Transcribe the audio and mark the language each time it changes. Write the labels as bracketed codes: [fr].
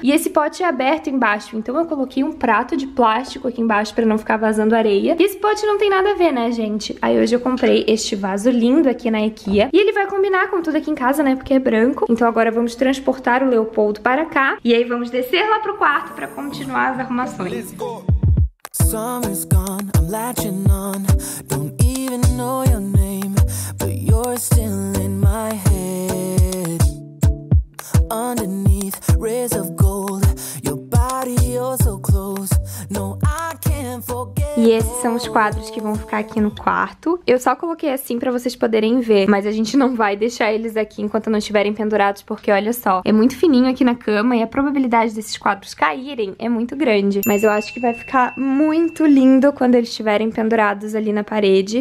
[pt] E esse pote é aberto embaixo. Então eu coloquei um prato de plástico aqui embaixo pra não ficar vazando areia. E esse pote não tem nada a ver, né, gente? Aí hoje eu comprei este vaso lindo aqui na IKEA. E ele vai combinar com tudo aqui em casa, né? Porque é branco. Então agora vamos transportar o Leopoldo para cá. E aí vamos descer lá pro quarto pra continuar as arrumações. [en] Let's go. Summer's gone, I'm latching on. Don't even know your name, but you're still in my head. Underneath rays of gold, your body you're so close. No, I can't forget. [pt] E esses são os quadros que vão ficar aqui no quarto. Eu só coloquei assim pra vocês poderem ver, mas a gente não vai deixar eles aqui enquanto não estiverem pendurados, porque olha só, é muito fininho aqui na cama e a probabilidade desses quadros caírem é muito grande. Mas eu acho que vai ficar muito lindo quando eles estiverem pendurados ali na parede.